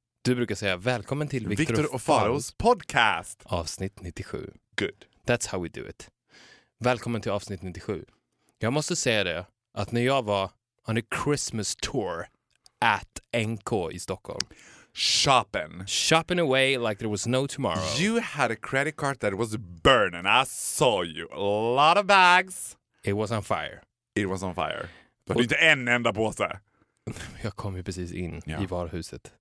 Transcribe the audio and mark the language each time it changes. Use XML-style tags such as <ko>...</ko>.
<sv>Du brukar säga, välkommen till Victor och Faros podcast. Avsnitt 97.</sv> <en>Good. That's how we do it.</en> <sv>Välkommen till avsnitt 97. Jag måste säga det, att när jag var</sv> <en>on a Christmas tour at</en> <sv>NK i Stockholm.</sv> <en>Shopping away like there was no tomorrow. You had a credit card that was burning. I saw you. A lot of bags. It was on fire.</en> <sv>Du hade inte en enda påse. Jag kom ju precis in i varuhuset.</sv>